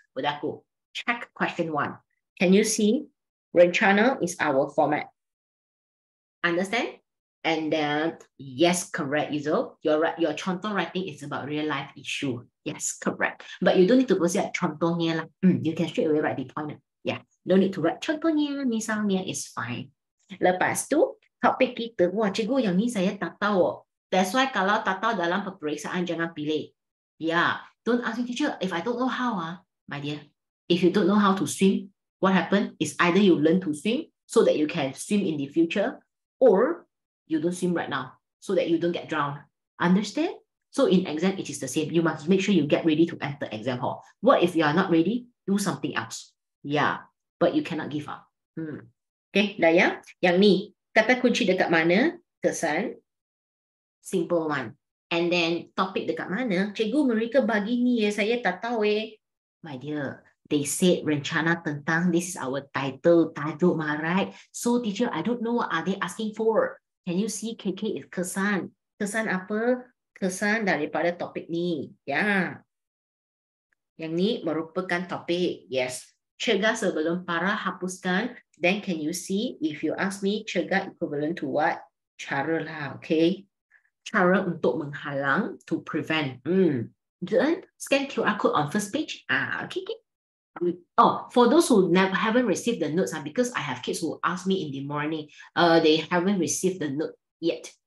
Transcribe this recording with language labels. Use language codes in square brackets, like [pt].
[en] Budakku, check question 1. Can you see? Rencana is our format. Understand? And then, yes, correct, Izo. Your contoh writing is about real life issue. Yes, correct. But you don't need to go say contohnya lah. You can straight away write the point. Yeah, no need to write contohnya, misalnya, it's fine. [ms] Lepas tu, topik kita, cikgu yang ni saya tak tahu. [en] That's why [ms] kalau tak tahu dalam peperiksaan, jangan pilih. [en] Yeah, don't ask me, teacher, if I don't know how, my dear. If you don't know how to swim, what happened is either you learn to swim so that you can swim in the future, or you don't swim right now so that you don't get drowned. Understand? So in exam, it is the same. You must make sure you get ready to enter exam hall. What if you are not ready? Do something else. Yeah, but you cannot give up. [ms] Okay, dah ya? Yang ni, kata kunci dekat mana? Kesan? Simple one. And then, topik dekat mana? Cikgu, mereka bagi ni ya, saya tak tahu eh. [en] My dear, they said rencana tentang, this is our title, mah, right? So teacher, I don't know what are they asking for. Can you see KK is kesan? [ms] Kesan apa? Kesan daripada topik ni. Yeah. Yang ni merupakan topik. Yes. Cegah sebelum parah, hapuskan. [en] Then can you see, if you ask me, cegah equivalent to what? [ms] Cara lah, okay? Cara untuk menghalang, [en] to prevent. Then scan QR code on first page. Okay. Oh, for those who never haven't received the notes, because I have kids who ask me in the morning, they haven't received the note yet.